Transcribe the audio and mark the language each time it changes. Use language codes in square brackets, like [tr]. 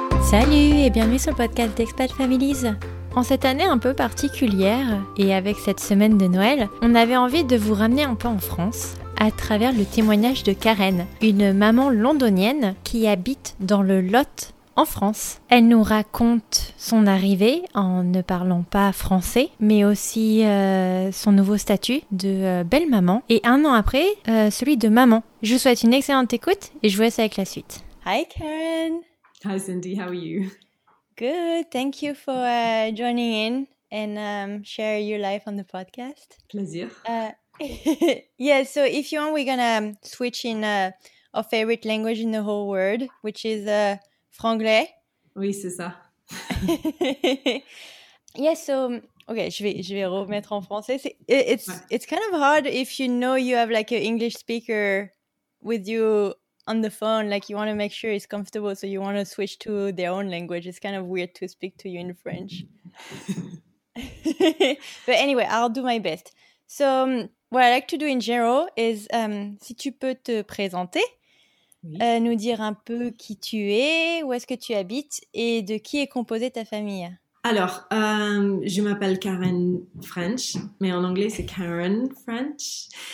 [fr] Salut et bienvenue sur le podcast d'Expat Families. En cette année un peu particulière et avec cette semaine de Noël, on avait envie de vous ramener un peu en France à travers le témoignage de Karen, une maman londonienne qui habite dans le Lot en France. Elle nous raconte son arrivée en ne parlant pas français, mais aussi son nouveau statut de belle-maman et un an après, celui de maman. Je vous souhaite une excellente écoute et je vous laisse avec la suite. [en] Hi Karen! Hi Cindy, how are you? Good, thank you for joining in and share your life on the podcast. [fr] Plaisir. [en] yeah, so if you want, we're going to switch in our favorite language in the whole world, which is franglais. [fr] Oui, c'est ça. [en] yeah, so, okay, [fr] je vais remettre en français. [en] It's kind of hard if you know you have like an English speaker with you on the phone, like you want to make sure it's comfortable, so you want to switch to their own language. It's kind of weird to speak to you in French. But anyway, I'll do my best. So what I like to do in general is, [fr] si tu peux te présenter, nous dire un peu qui tu es, où est-ce que tu habites et de qui est composée ta famille. Alors, je m'appelle Karen French, mais en anglais c'est Karen French.